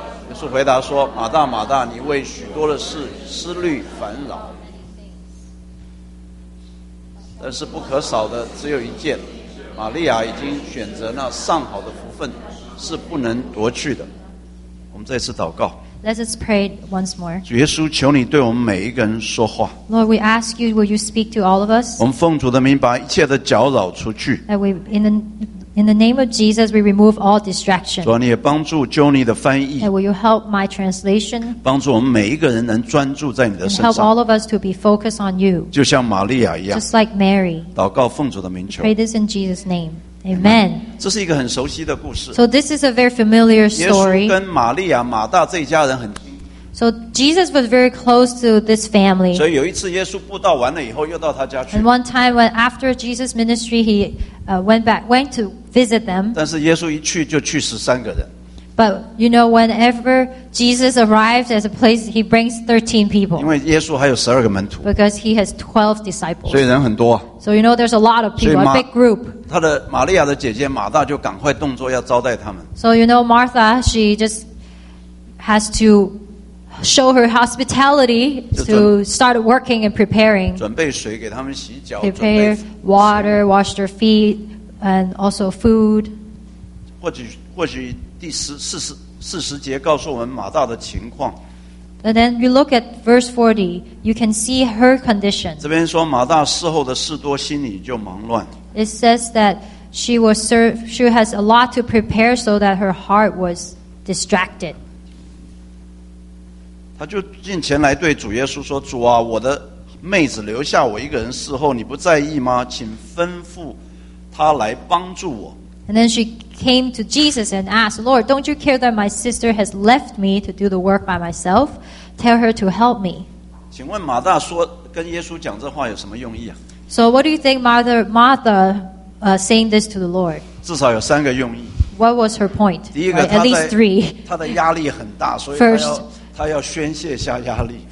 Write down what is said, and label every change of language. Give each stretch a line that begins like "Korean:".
Chinese: 耶稣回答说：“马大，马大，你为许多的事思虑烦扰，但是不可少的只有一件。玛利亚已经选择那上好的福分，是不能夺去的。” 我们再次祷告。
English: Let us pray once more.
Chinese: 主耶稣，求你对我们每一个人说话。
English: Lord, we ask you, will you speak to all of us?
Chinese: 我们奉主的名把一切的搅扰除去。
English: That we, in the name of Jesus, we remove all distractions.
Chinese: 主啊，你也帮助 Johnny 的翻译。
English: And will you help my translation?
Chinese: 帮助我们每一个人能专注在你的身上。
English: And help all of us to be focused on you.
Chinese: 就像玛利亚一样。
English: Just like Mary.
Chinese: 祷告奉主的名求。
English: Pray this in Jesus' name. Amen.
Chinese: 这是一个很熟悉的故事。
English: So this is a very familiar story.
Chinese: 耶稣跟玛利亚、马大这一家人很亲。
English: So Jesus was very close to this family.
Chinese: 所以有一次耶稣布道完了以后，又到他家去。
English: And one time when after Jesus' ministry, he went to visit them.
Chinese: 但是耶稣一去就去十三个人。
English: But you know, whenever Jesus arrives at a place, he brings 13 people.
Chinese: 因为耶稣还有十二个门徒。
English: Because he has 12 disciples.
Chinese: 所以人很多。
English: So you know, there's a lot of people, a big group.
Chinese: 他的玛利亚的姐姐马大就赶快动作要招待他们。
English: So you know Martha, she just has to show her hospitality to start working and preparing.
Chinese: 准备水给他们洗脚。
English: Prepare water, wash their feet, and also food.
Chinese: 或许第四十节告诉我们马大的情况。
English: And then you look at verse 40, you can see her condition.
Chinese: 这边说马大事后的事多，心里就忙乱。
English: It says that she has a lot to prepare so that her heart was distracted.
Chinese: 她就进前来对主耶稣说：“主啊，我的妹子留下我一个人侍候，你不在意吗？请吩咐她来帮助我。”
English: And then she came to Jesus and asked, "Lord, don't you care that my sister has left me to do the work by myself? Tell her to help me."
Chinese: 请问马大说跟耶稣讲这话有什么用意啊？
English: So what do you think Martha saying this to the Lord?
Chinese: 至少有三个用意。
English: What was her point?
Chinese: 第一个
English: right, at least three.
Chinese: 她的压力很大，所以她要宣泄下压力。